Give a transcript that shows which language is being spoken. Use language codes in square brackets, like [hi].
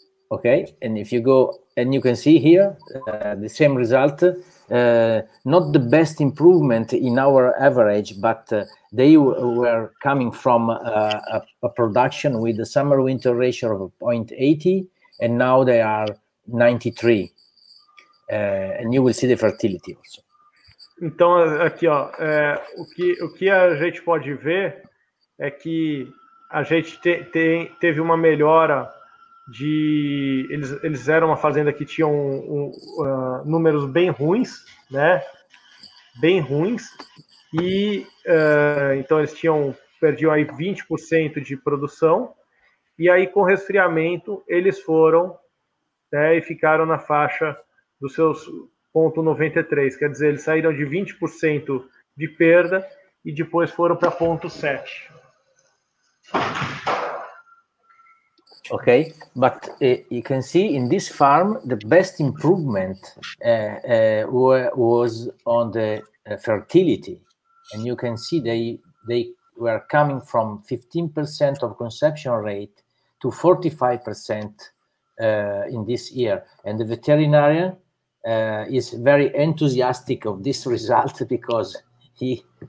[en] Ok, and if you go, and you can see here the same result. Not the best improvement in our average, but they were coming from a production with the summer winter ratio of 0.80, and now they are 93. And you will see the fertility also. [pt] Então, aqui, ó, o que a gente pode ver é que a gente teve uma melhora de... Eles eram uma fazenda que tinha números bem ruins, né? Bem ruins. E então eles perdiam aí 20% de produção. E aí, com resfriamento, eles foram, né, e ficaram na faixa dos seus 0,93. Quer dizer, eles saíram de 20% de perda e depois foram para 0,7. [en] Okay, but you can see in this farm the best improvement was on the fertility, and you can see they were coming from 15% of conception rate to 45% in this year, and the veterinarian is very enthusiastic of this result because he